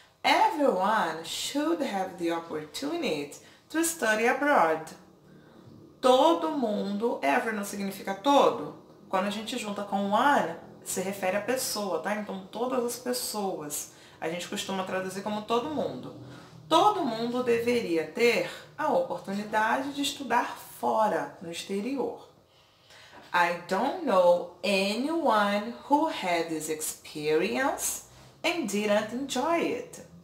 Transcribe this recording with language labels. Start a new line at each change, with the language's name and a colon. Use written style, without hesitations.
English: Everyone should have the opportunity to study abroad.
Portuguese: Todo mundo, ever não significa todo? Quando a gente junta com one, se refere à pessoa, tá? Então, todas as pessoas. A gente costuma traduzir como todo mundo. Todo mundo deveria ter a oportunidade de estudar fora, no exterior.
English: I don't know anyone who had this experience and didn't enjoy it.